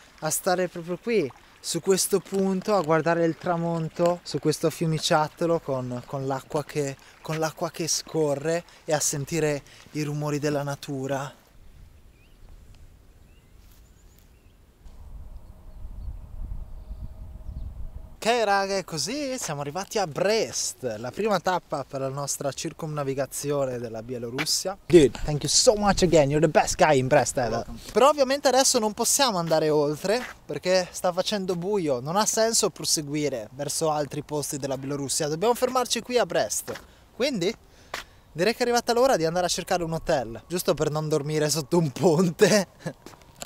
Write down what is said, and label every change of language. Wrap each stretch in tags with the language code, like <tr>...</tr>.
<it>a stare proprio qui, su questo punto, a guardare il tramonto, su questo fiumiciattolo con l'acqua che scorre, e a sentire i rumori della natura. Ok raga, è così, siamo arrivati a Brest, la prima tappa per la nostra circumnavigazione della Bielorussia.</it> <en>Dude, thank you so much again, you're the best guy in Brest ever.</en> <it>Però ovviamente adesso non possiamo andare oltre, perché sta facendo buio, non ha senso proseguire verso altri posti della Bielorussia, dobbiamo fermarci qui a Brest. Quindi direi che è arrivata l'ora di andare a cercare un hotel, giusto per non dormire sotto un ponte.</it>